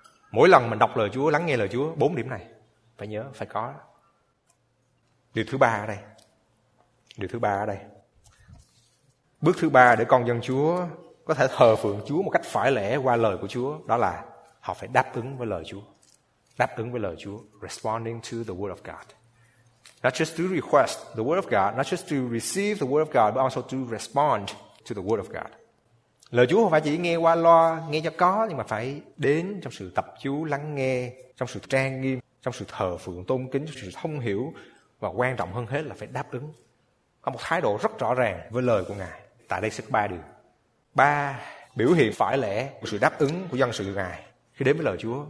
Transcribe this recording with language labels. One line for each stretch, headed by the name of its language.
Vietnamese: Mỗi lần mình đọc lời Chúa, lắng nghe lời Chúa, 4 điểm này. Phải nhớ, phải có. Điều thứ ba ở đây. Bước thứ ba để con dân Chúa có thể thờ phượng Chúa một cách phải lẽ qua lời của Chúa. Đó là họ phải đáp ứng với lời Chúa. Đáp ứng với lời Chúa.
English: Responding to the word of God. Not just to request the word of God, not just to receive the word of God, but also to respond to the word of God.
Vietnamese: Lời Chúa không phải chỉ nghe qua loa, nghe cho có, nhưng mà phải đến trong sự tập chú lắng nghe, trong sự trang nghiêm, trong sự thờ phượng tôn kính, trong sự thông hiểu, và quan trọng hơn hết là phải đáp ứng. Có một thái độ rất rõ ràng với lời của Ngài. Tại đây sẽ có 3 điều. 3 biểu hiện phải lẽ của sự đáp ứng của dân sự của Ngài khi đến với lời Chúa.